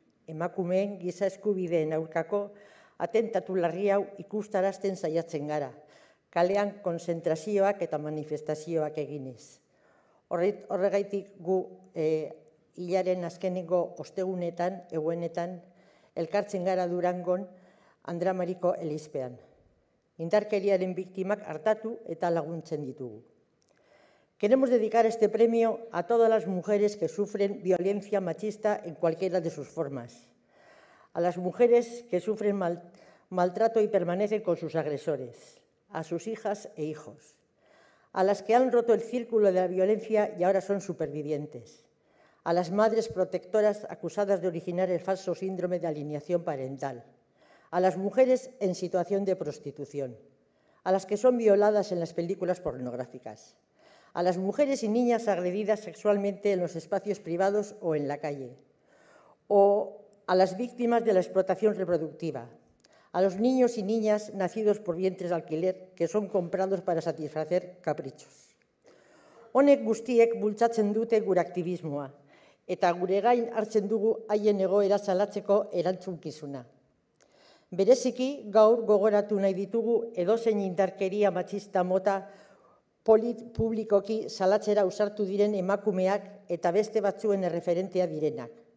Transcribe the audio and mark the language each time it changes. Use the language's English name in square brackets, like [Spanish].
[Basque] Emakumeen giza eskubideen aurkako atentatu larri hau ikustarazten saiatzen gara, kalean konzentrazioak eta manifestazioak eginez. Horregaitik gu hilaren azkeneko ostegunetan, eguenetan, elkartzen gara Durangon Andramariko elizpean. Indarkeriaren biktimak hartatu eta laguntzen ditugu. [Spanish] Queremos dedicar este premio a todas las mujeres que sufren violencia machista en cualquiera de sus formas. A las mujeres que sufren maltrato y permanecen con sus agresores. A sus hijas e hijos. A las que han roto el círculo de la violencia y ahora son supervivientes. A las madres protectoras acusadas de originar el falso síndrome de alienación parental. A las mujeres en situación de prostitución. A las que son violadas en las películas pornográficas. A las mujeres y niñas agredidas sexualmente en los espacios privados o en la calle. O a las víctimas de la explotación reproductiva. A los niños y niñas nacidos por vientres de alquiler que son comprados para satisfacer caprichos. [Basque] Honek guztiek bultzatzen dute gure aktivismoa. Eta gure gain hartzen dugu haien egoera salatzeko erantzunkizuna. Bereziki gaur gogoratu nahi ditugu edozein indarkeria matxista mota publikoki salatzera usartu diren emakumeak eta beste batzuen erreferentea direnak.